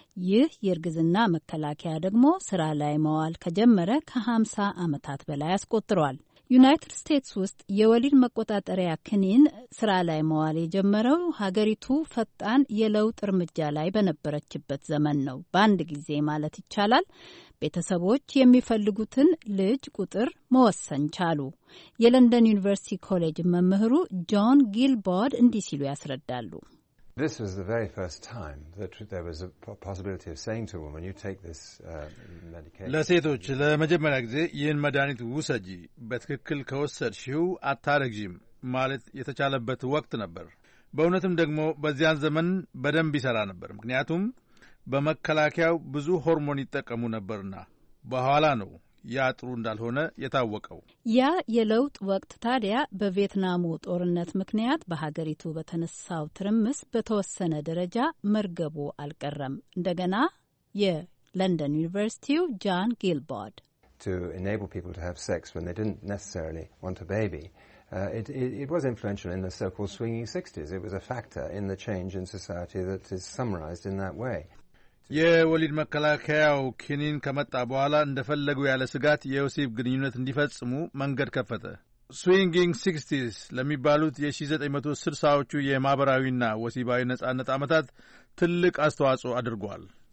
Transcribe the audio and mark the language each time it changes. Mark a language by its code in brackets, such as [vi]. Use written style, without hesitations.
[am] ይህ የእርግዝና መከላከያ ደግሞ ስራ ላይ መዋል ከጀመረ ከ50 ዓመታት በላይ አስቆጥሯል። ዩናይትድ ስቴትስ ውስጥ የወሊድ መቆጣጠሪያ ክኒን ስራ ላይ መዋል የጀመረው ሀገሪቱ ፈጣን የለውጥ እርምጃ ላይ በነበረችበት ዘመን ነው። በአንድ ጊዜ ማለት ይቻላል ቤተሰቦች የሚፈልጉትን ልጅ ቁጥር መወሰን ቻሉ። የለንደን ዩኒቨርሲቲ ኮሌጅ መምህሩ ጆን ጊልቦርድ እንዲህ ሲሉ ያስረዳሉ። [en] This was the very first time that there was a possibility of saying to a woman, you take this medication. [am] ለሴቶች ለመጀመሪያ ጊዜ ይህን መድኃኒት ውሰጂ፣ በትክክል ከወሰድሽው አታረግዥም ማለት የተቻለበት ወቅት ነበር። በእውነትም ደግሞ በዚያን ዘመን በደንብ ይሰራ ነበር፣ ምክንያቱም በመከላከያው ብዙ ሆርሞን ይጠቀሙ ነበርና። በኋላ ነው ያጥሩ እንዳልሆነ የታወቀው። ያ የለውጥ ወቅት ታዲያ በቪየትናሙ ጦርነት ምክንያት በሀገሪቱ በተነሳው ትርምስ በተወሰነ ደረጃ መርገቡ አልቀረም። እንደገና የለንደን ዩኒቨርሲቲው ጃን ጊልቦርድ [en] to enable people to have sex when they didn't necessarily want a baby it was influential in the so-called swinging 60s. It was a factor in the change in society that is summarized in that way. [am] የወሊድ መከላከያው ክኒን ከመጣ በኋላ እንደፈለጉ ያለ ስጋት የወሲብ ግንኙነት እንዲፈጽሙ መንገድ ከፈተ። ስዊንጊንግ 60s ለሚባሉት የ1960ዎቹ የማህበራዊና ወሲባዊ ነጻነት ዓመታት ትልቅ አስተዋጽኦ አድርጓል።